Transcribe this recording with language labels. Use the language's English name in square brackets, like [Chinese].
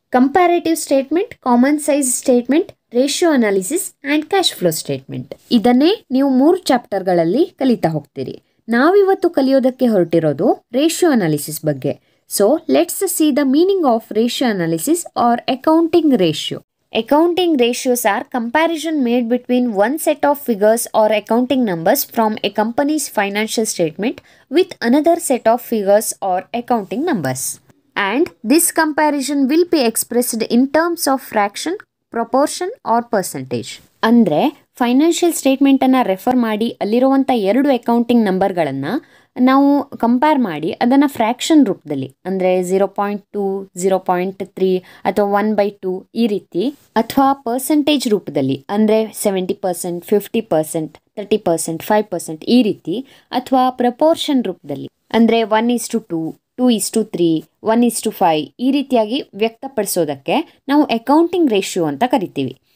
[English] Comparative statement, common size statement, ratio analysis and cash flow statement. [Kannada] ಇದನ್ನೇ ನೀವು 3 ಚಾಪ್ಟರ್ಗಳಲ್ಲಿ ಕಲಿತಾ ಹೋಗ್ತೀರಿ. ನಾವಿವತ್ತು ಕಲಿಯೋದಕ್ಕೆ ಹೊರಟಿರೋದು ರೇಷಿಯೋ ಅನಾಲಿಸಿಸ್ ಬಗ್ಗೆ. [English] So let's see the meaning of ratio analysis or accounting ratio. Accounting ratios are comparison made between one set of figures or accounting numbers from a company's financial statement with another set of figures or accounting numbers. And this comparison will be expressed in terms of fraction, proportion or percentage. [Kannada] ಅಂದರೆ financial ಸ್ಟೇಟ್ಮೆಂಟನ್ನು refer ಮಾಡಿ ಅಲ್ಲಿರುವಂಥ ಎರಡು accounting ನಂಬರ್ಗಳನ್ನು ನಾವು compare ಮಾಡಿ ಅದನ್ನು fraction ರೂಪದಲ್ಲಿ ಅಂದರೆ 0.2, 0.3 ಅಥವಾ 1/2 ಈ ರೀತಿ, ಅಥವಾ ಪರ್ಸೆಂಟೇಜ್ ರೂಪದಲ್ಲಿ ಅಂದರೆ 70%, 50%, 30%, 5%, ಈ ರೀತಿ, ಅಥವಾ ಪ್ರಪೋರ್ಷನ್ ರೂಪದಲ್ಲಿ ಅಂದರೆ 1:2, 2:3, 1:5 ಈ ರೀತಿಯಾಗಿ ವ್ಯಕ್ತಪಡಿಸೋದಕ್ಕೆ ನಾವು ಅಕೌಂಟಿಂಗ್ ರೇಷಿಯೋ ಅಂತ ಕರಿತೀವಿ.